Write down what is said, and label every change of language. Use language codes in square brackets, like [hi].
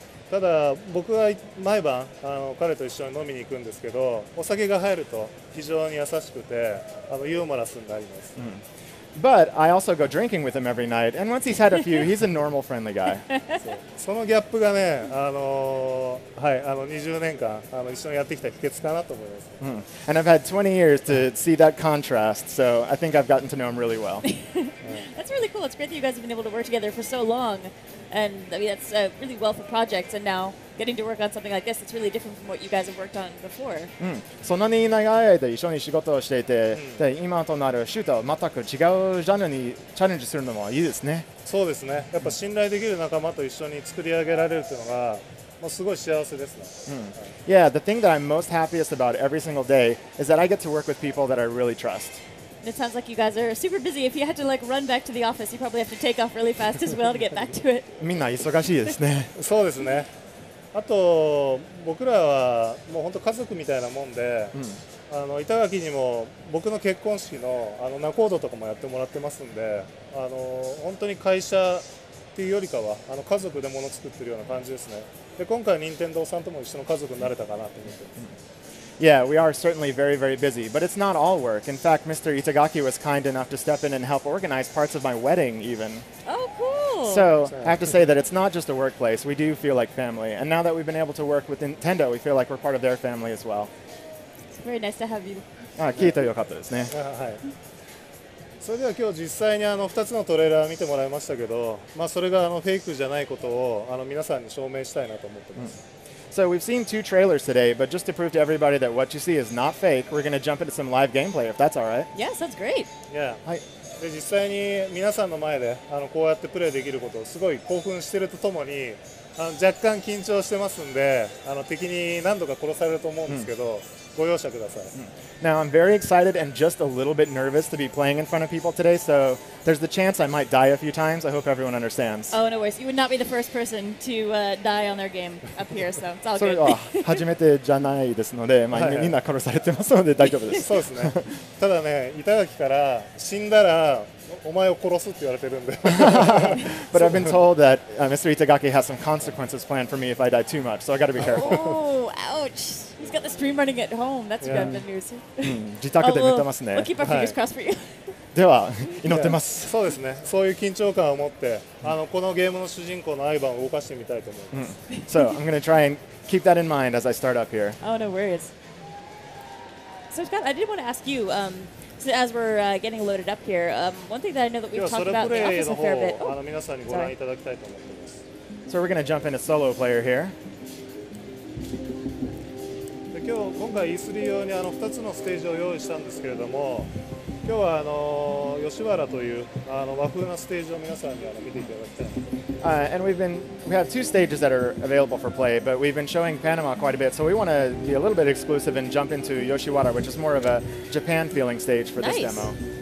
[ja] ただ僕は毎晩彼と一緒に飲みに行くんですけど、お酒が入ると非常に優しくてユーモラスになります。 [en] But I also go drinking with him every night, and once he's had a few, he's a normal, friendly guy. [ja] そのギャップがね、はい、20年間一緒にやってきた秘訣かなと思います。 [en] And I've had 20 years to see that contrast, so I think I've gotten to know him really well. That's really cool. It's great that you guys have been able to work together for so long. And I mean, that's really well for projects, and now getting to work on something like this, it's really different from what you guys have worked on before. [ja] そんなに長い間一緒に仕事をしていて、で今となるシューターを全く違うジャンルにチャレンジするのもいいですね。そうですね。やっぱ信頼できる仲間と一緒に作り上げられるというのが、まあ、すごい幸せですね。 [en] Yeah, the thing that I'm most happiest about every single day is that I get to work with people that I really trust. It sounds like you guys are super busy. If you had to like run back to the office, you probably have to take off really fast as well to get back to it. [ja] みんな忙しいですね。そうですね。あと僕らはもう本当家族みたいなもんで、板垣にも僕の結婚式の仲人とかもやってもらってますんで、本当に会社っていうよりかは家族で物作ってるような感じですね。で今回任天堂さんとも一緒の家族になれたかなと思って。 [en] Yeah, we are certainly very, very busy, but it's not all work. In fact, Mr. Itagaki was kind enough to step in and help organize parts of my wedding, even. Oh, cool! So, I have to say that it's not just a workplace. We do feel like family. And now that we've been able to work with Nintendo, we feel like we're part of their family as well. It's very nice to have you. [ja] Ah, 聞いてよかったですね。それでは今日実際に2つのトレーラー見てもらいましたけど、まあ、それがフェイクじゃないことを皆さんに証明したいなと思ってます。 [en] So we've seen two trailers today, but just to prove to everybody that what you see is not fake, we're going to jump into some live gameplay, if that's all right. Yes, that's great. Yeah. [ja] はい。で、実際に皆さんの前でこうやってプレイできることをすごい興奮してるとともに、若干緊張してますんで、敵に何度か殺されると思うんですけど、ご容赦ください。 [en] Now, I'm very excited and just a little bit nervous to be playing in front of people today, so there's the chance I might die a few times. I hope everyone understands. Oh, no worries. You would not be the first person to die on their game up here, so it's all good. [ja] それは初めてじゃないですので、まあ、みんな殺されてますので大丈夫です。そうですね。ただね、板垣から死んだらお前を殺すって言われてるんで。 [en] But I've been told that Mr. Itagaki has some consequences planned for me if I die too much, so I've got to be careful. Oh, ouch. He's got the stream running at home. That's good news. [ja] 自宅で寝てますね。 [en] We'll keep our fingers crossed for you. [ja] では、祈ってます。そうですね。そういう緊張感を持って、このゲームの主人公のアイバンを動かしてみたいと思います。 [en] So, I'm going to try and keep that in mind as I start up here. Oh, no worries. So, Scott, I did want to ask you, so as we're getting loaded up here, one thing that I know that we've talked about in the office a fair bit. [ja] では、それプレイの方を皆さんにご覧いただきたいと思っています。 [en] So, we're going to jump into solo player here. [ja] 今回 E3 用に2つのステージを用意したんですけれども、今日は吉原という和風なステージを皆さんに見ていただきたい。 [en] And we have two stages that are available for play, but we've been showing Panama quite a bit, so we want to be a little bit exclusive and jump into Yoshiwara, which is more of a Japan feeling stage for this demo.